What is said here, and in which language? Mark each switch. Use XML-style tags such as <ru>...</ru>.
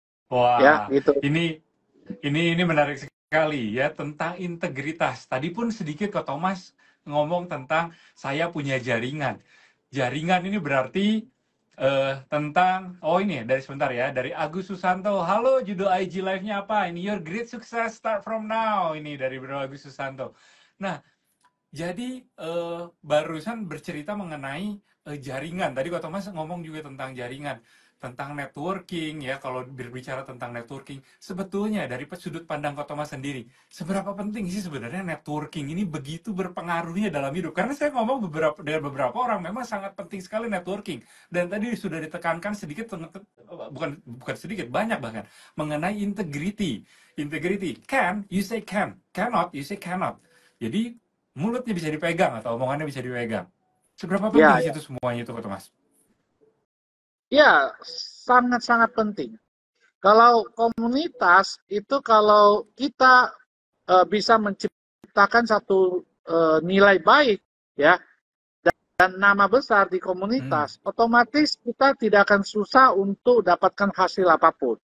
<id>Wah, ya, gitu. Ini menarik sekali ya tentang integritas. Tadi pun sedikit Kak Thomas ngomong tentang saya punya jaringan. Jaringan ini berarti tentang, oh ini dari sebentar ya, dari Agus Susanto. Halo, judul IG live-nya apa?</id> <en>Ini your great success start from now.</en> <id>Ini dari Bro Agus Susanto. Nah, jadi barusan bercerita mengenai jaringan. Tadi Kak Thomas ngomong juga tentang jaringan, tentang networking ya, kalau berbicara tentang networking. Sebetulnya dari sudut pandang Kak Thomas sendiri, seberapa penting sih sebenarnya networking ini begitu berpengaruhnya dalam hidup? Karena saya ngomong beberapa, dengan beberapa orang, memang sangat penting sekali networking. Dan tadi sudah ditekankan sedikit, bukan sedikit, banyak bahkan, mengenai integrity.</id> <en>Integrity, can, you say can, cannot, you say cannot.</en> <id>Jadi mulutnya bisa dipegang atau omongannya bisa dipegang. Seberapa penting yeah, itu semuanya itu Kak Thomas? Ya, sangat-sangat penting. Kalau komunitas itu, kalau kita bisa menciptakan satu nilai baik ya dan nama besar di komunitas, otomatis kita tidak akan susah untuk dapatkan hasil apapun.</id>